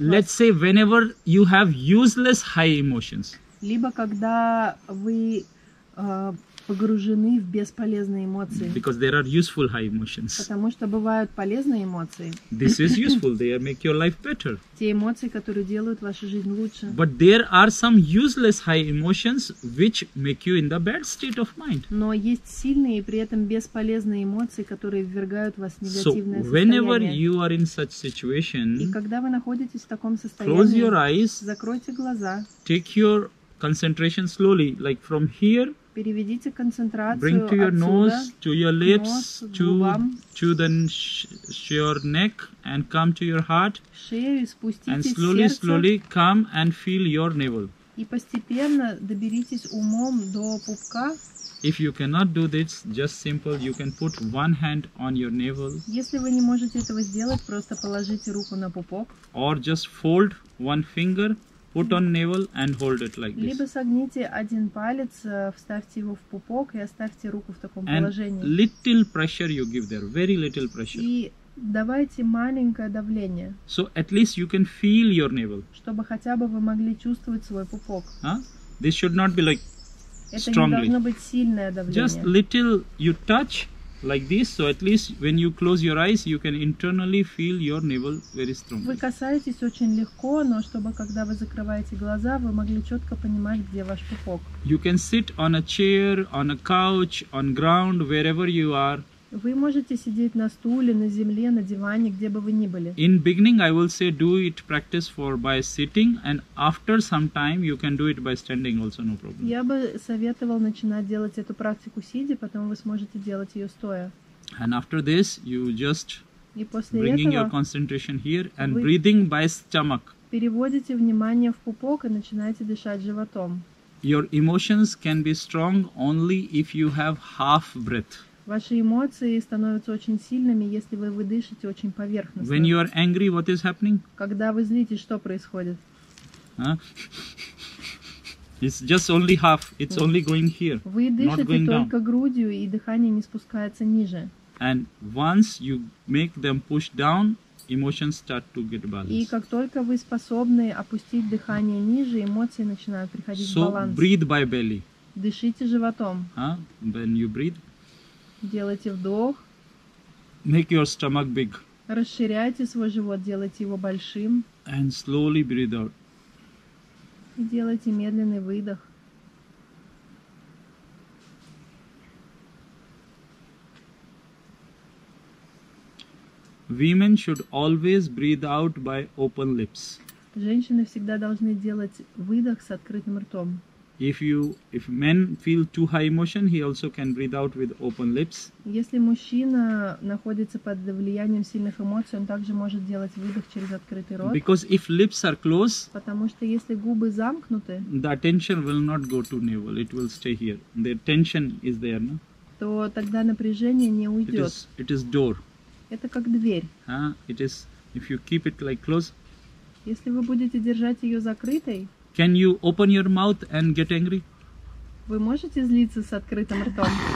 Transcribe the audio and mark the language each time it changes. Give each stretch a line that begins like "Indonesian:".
English: let's
Russian: вас.
English: Let's say whenever you have useless high emotions.
Russian: Либо когда вы погружены в бесполезные эмоции.
English: Because there are useful high emotions.
Russian: Потому что бывают полезные эмоции.
English: This is useful. They make your life better.
Russian: Те эмоции, которые делают вашу жизнь лучше.
English: But there are some useless high emotions which make you in the bad state of mind.
Russian: Но есть сильные и при этом бесполезные эмоции, которые ввергают вас в негативное состояние.
English: So whenever you are in such situation,
Russian: и когда вы находитесь в таком состоянии,
English: close your eyes,
Russian: закройте глаза,
English: take your concentration slowly, like from here.
Russian: Переведите концентрацию.
English: Bring to your
Russian: отсюда,
English: nose, to your lips,
Russian: нос,
English: to the your neck, and come to your heart.
Russian: Шею, спуститесь.
English: And slowly,
Russian: сердце,
English: slowly come and feel your navel.
Russian: И постепенно доберитесь умом до пупка.
English: If you cannot do this, just simple, you can put one hand on your navel.
Russian: Если вы не можете этого сделать, просто положите руку на пупок.
English: Or just fold one finger. Put on navel and hold it like this.
Russian: Либо согните один палец, вставьте его в пупок и оставьте руку в таком
English: and
Russian: положении.
English: And little pressure you give there, very little pressure.
Russian: И давайте маленькое давление.
English: So at least you can feel your navel.
Russian: Чтобы хотя бы вы могли чувствовать свой пупок.
English: This should not be like strongly.
Russian: Это не должно быть сильное давление.
English: Just little you touch like this, so at least when you close your eyes, you can internally feel your navel very strong.
Russian: Вы касаетесь очень легко, но чтобы когда вы закрываете глаза, вы могли четко понимать, где ваш пупок.
English: You can sit on a chair, on a couch, on ground, wherever you are.
Russian: Вы можете сидеть на стуле, на земле, на диване, где бы вы ни были.
English: In beginning, I will say do it practice for by sitting, and after some time, you can do it by standing also, no problem.
Russian: Я бы советовал начинать делать эту практику сидя, потом вы сможете делать ее стоя.
English: And after this, you just
Russian: и после
English: bringing
Russian: этого
English: your concentration here and breathing by stomach.
Russian: Переводите внимание в пупок и начинаете дышать животом.
English: Your emotions can be strong only if you have half breath.
Russian: Ваши эмоции становятся очень сильными, если вы выдышите очень поверхностно.
English: When you are angry, what is happening?
Russian: Когда вы злитесь, что происходит?
English: It's just only half. It's only going here.
Russian: Вы дышите
English: not going
Russian: только
English: down.
Russian: Грудью, и дыхание не спускается ниже.
English: And once you make them push down, emotions start to get balanced.
Russian: И как только вы способны опустить дыхание ниже, эмоции начинают приходить
English: so
Russian: в баланс.
English: So breathe by belly.
Russian: Дышите животом.
English: When you breathe.
Russian: Делайте вдох.
English: Make your stomach big.
Russian: Расширяйте свой живот, делайте его большим.
English: And slowly breathe out.
Russian: И делайте медленный выдох.
English: Women should always breathe out by open lips.
Russian: Женщины всегда должны делать выдох с открытым ртом.
English: If men feel too high emotion, he also can breathe out with open lips.
Russian: Если мужчина находится под влиянием сильных эмоций, он также может делать выдох через открытый рот.
English: Because if lips are closed,
Russian: потому что если губы замкнуты,
English: the attention will not go to navel, it will stay here. The tension is there, no?
Russian: То тогда напряжение не уйдет.
English: It is door.
Russian: Это как дверь.
English: It is, if you keep it like closed,
Russian: если вы будете держать ее закрытой,
English: can you open your mouth and get angry?
Russian: Вы можете злиться с открытым ртом?